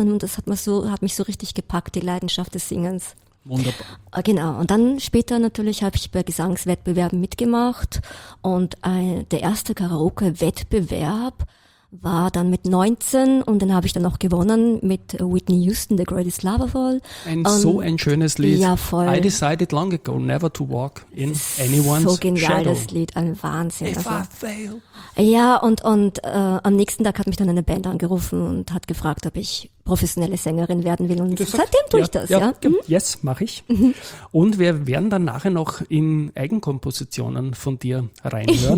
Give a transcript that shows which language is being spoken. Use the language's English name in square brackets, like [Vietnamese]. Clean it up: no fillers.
[German] Und das hat mich so richtig gepackt, die Leidenschaft des Singens. Wunderbar. Genau. Und dann später natürlich habe ich bei Gesangswettbewerben mitgemacht und der erste Karaoke-Wettbewerb war dann mit 19 und den habe ich dann auch gewonnen mit Whitney Houston, The Greatest Love of All. So ein schönes Lied. Ja, voll. [English] I decided long ago never to walk in anyone's shadow. [German] So genial, [English] shadow. [German] Das Lied, ein Wahnsinn. [English] If [German] also, [English] I fail. [German] Ja, und am nächsten Tag hat mich dann eine Band angerufen und hat gefragt, ob ich professionelle Sängerin werden will. Und seitdem tue ich das, ja? Yes, mache ich. Und wir werden dann nachher noch in Eigenkompositionen von dir reinhören.